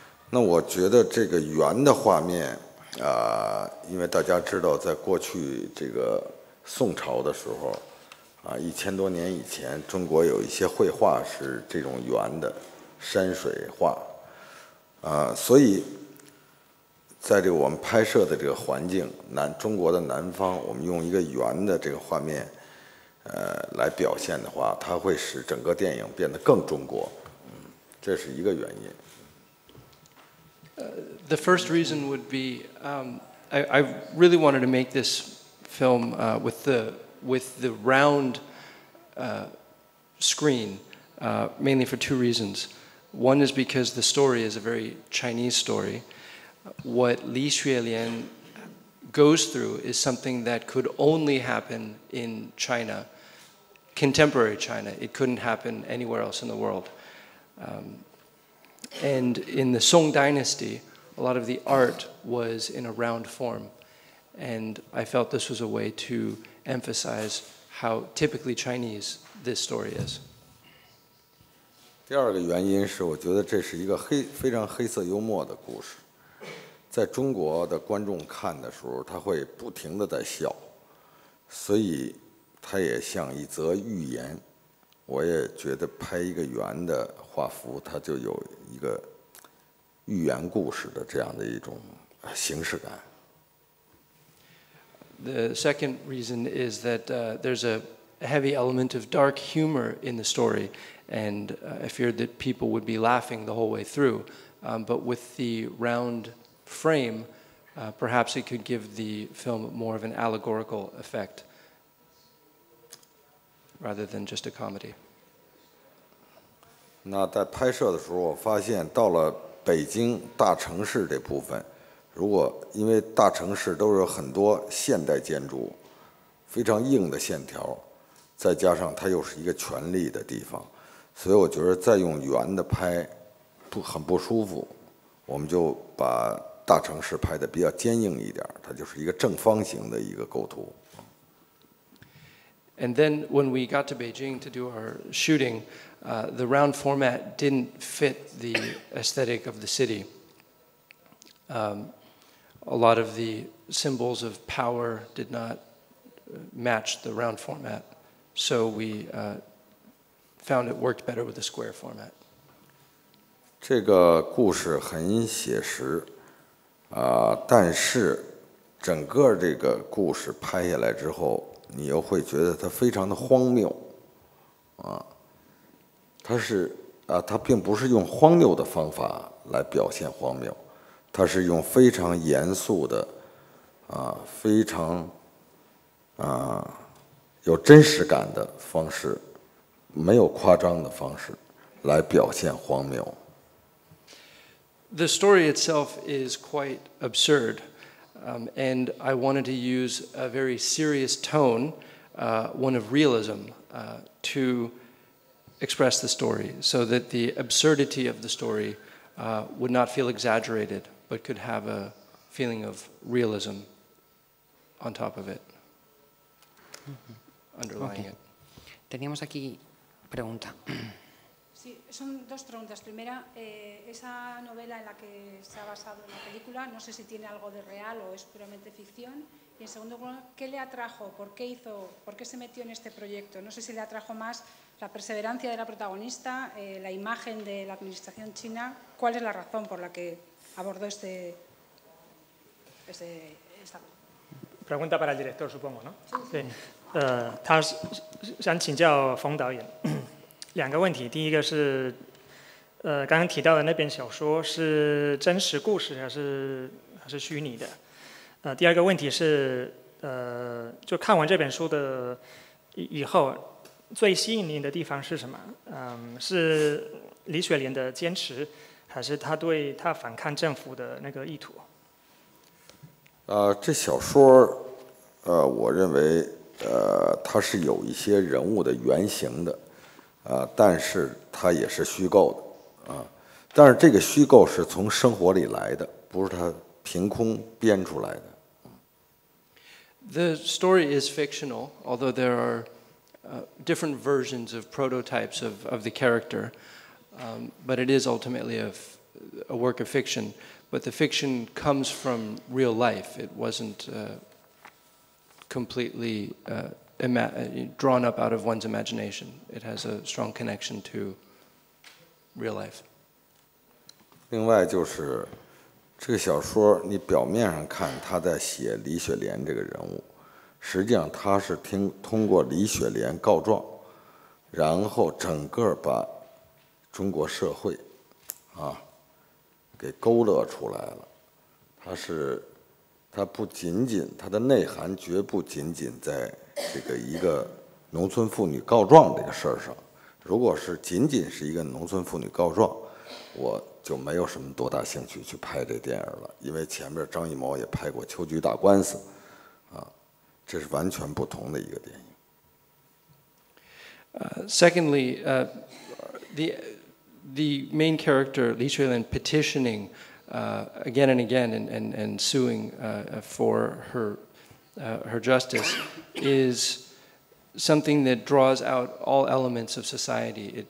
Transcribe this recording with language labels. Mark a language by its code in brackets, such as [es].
[zh] 那我觉得这个圆的画面因为大家知道，在过去这个宋朝的时候一千多年以前，中国有一些绘画是这种圆的山水画所以在这个我们拍摄的这个环境，中国的南方，我们用一个圆的这个画面来表现的话，它会使整个电影变得更中国，这是一个原因。 [en] The first reason would be, I really wanted to make this film with the round screen, mainly for two reasons. One is because the story is a very Chinese story. What Li Xuelian goes through is something that could only happen in China, contemporary China. It couldn't happen anywhere else in the world. And in the Song Dynasty, a lot of the art was in a round form. And I felt this was a way to emphasize how typically Chinese this story is. [zh] 第二个原因是，我觉得这是一个非常黑色幽默的故事。在中国的观众看的时候，他会不停地在笑，所以它也像一则寓言。我也觉得拍一个圆的画幅，它就有一个寓言故事的这样的一种形式感。 [en] The second reason is that there's a heavy element of dark humor in the story, and I feared that people would be laughing the whole way through. But with the round frame, perhaps it could give the film more of an allegorical effect rather than just a comedy. [zh] 那在拍摄的时候，我发现到了北京大城市这部分，如果因为大城市都是很多现代建筑，非常硬的线条，再加上它又是一个权力的地方，所以我觉得再用圆的拍不很不舒服，我们就把大城市拍的比较坚硬一点，它就是一个正方形的一个构图。 [en] And then when we got to Beijing to do our shooting, the round format didn't fit the aesthetic of the city. A lot of the symbols of power did not match the round format. So we found it worked better with the square format. [zh] 这个故事很写实，但是整个这个故事拍下来之后，你又会觉得它非常的荒谬，它并不是用荒谬的方法来表现荒谬，它是用非常严肃的，非常，有真实感的方式，没有夸张的方式来表现荒谬。 [en] The story itself is quite absurd. And I wanted to use a very serious tone, one of realism, to express the story so that the absurdity of the story would not feel exaggerated but could have a feeling of realism on top of it, underlying it. [es] Teníamos aquí pregunta. Sí, son dos preguntas. Primera, esa novela en la que se ha basado en la película, no sé si tiene algo de real o es puramente ficción. Y en segundo lugar, ¿qué le atrajo? ¿Por qué hizo? ¿Por qué se metió en este proyecto? No sé si le atrajo más la perseverancia de la protagonista, la imagen de la administración china. ¿Cuál es la razón por la que abordó esta pregunta para el director, supongo, ¿no? Sí. Se han chingado Feng Dao Yan. [zh] 两个问题，第一个是，刚刚提到的那本小说是真实故事还是虚拟的？第二个问题是，就看完这本书的以后，最吸引您的地方是什么？是李雪莲的坚持，还是他对他反抗政府的那个意图？这小说我认为它是有一些人物的原型的，但是它也是虚构的，但是这个虚构是从生活里来的，不是它凭空编出来的。 [en] The story is fictional, although there are different versions of prototypes of the character, but it is ultimately a work of fiction. But the fiction comes from real life. It wasn't completely drawn up out of one's imagination. It has a strong connection to real life. [zh] 另外就是这个小说，你表面上看他在写李雪莲这个人物，实际上他是通过李雪莲告状，然后整个把中国社会啊给勾勒出来了。他不仅仅他的内涵绝不仅仅在这个一个农村妇女告状这个事儿上。如果是仅仅是一个农村妇女告状，我就没有什么多大兴趣去拍这电影了，因为前面张艺谋也拍过《秋菊打官司》，啊，这是完全不同的一个电影。 [en] Secondly, the main character Li Shuilian petitioning again and again and suing for her justice is something that draws out all elements of society.